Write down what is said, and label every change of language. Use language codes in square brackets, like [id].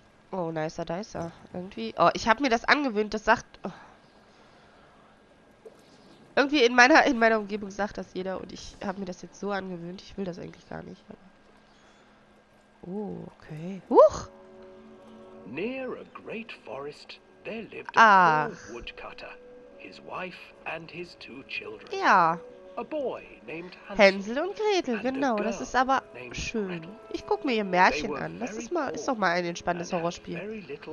[de] Oh, nicer, dicer. Irgendwie... Oh, ich habe mir das angewöhnt. Das sagt... Oh. Irgendwie in meiner Umgebung sagt das jeder. Und ich habe mir das jetzt so angewöhnt. Ich will das eigentlich gar nicht. Aber... Oh, okay. Huch! [en] Near a great forest, there lived a poor woodcutter, his wife and his two children. [de] Ja. [en] A boy named [de] Hänsel und Gretel, genau, das ist aber schön. Ich guck mir ihr Märchen an, das ist doch mal ein entspanntes Horrorspiel.